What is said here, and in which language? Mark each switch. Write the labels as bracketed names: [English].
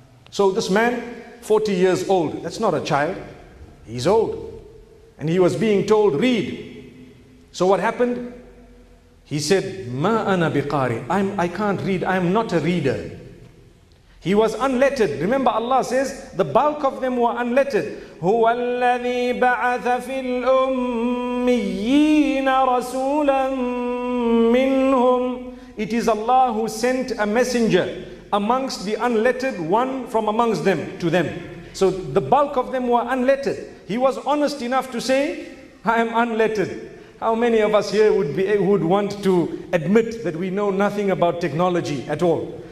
[English] So this man, 40 years old, that's not a child, he's old. And he was being told, read. So what happened? He said, [Arabic] Ma ana biqari, [English] I can't read, I'm not a reader. He was unlettered. Remember, Allah says the bulk of them were unlettered. [Arabic] هو الذي بعث في الأميين رسولا منهم. [English] It is Allah who sent a messenger amongst the unlettered, one from amongst them to them. So the bulk of them were unlettered. He was honest enough to say, I am unlettered. How many of us here would want to admit that we know nothing about technology at all?